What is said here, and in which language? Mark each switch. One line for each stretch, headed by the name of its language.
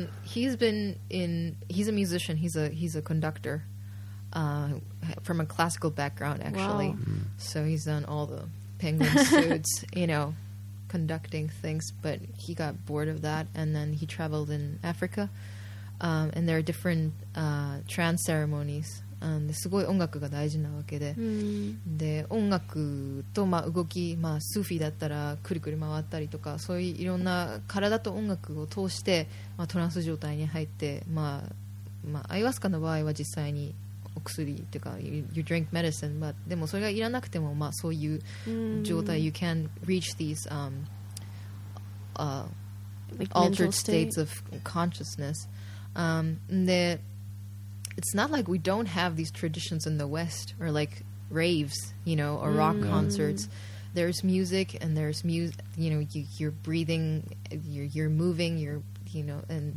English: he's a musician. He's a conductor from a classical background, actually. Wow. So he's done all the penguin suits, you know, conducting things. But he got bored of that, and then he traveled in Africa. And there are different trance ceremonies.
Japanese: すごい音楽が大事なわけで、うん、で音楽とまあ動き、まあ、スーフィーだったらくるくる回ったりとかそういういろんな体と音楽を通して、まあ、トランス状態に入って、まあまあ、アイワスカの場合は実際にお薬っていうか
English: you drink medicine but
Japanese: でもそれがいらなくても、まあ、そういう状態、うん、
English: you can reach these like altered states of consciousness、でIt's not like we don't have these traditions in the West or like raves, you know, or rock concerts. There's music and there's you know, you're breathing, you're moving, you're, you know, and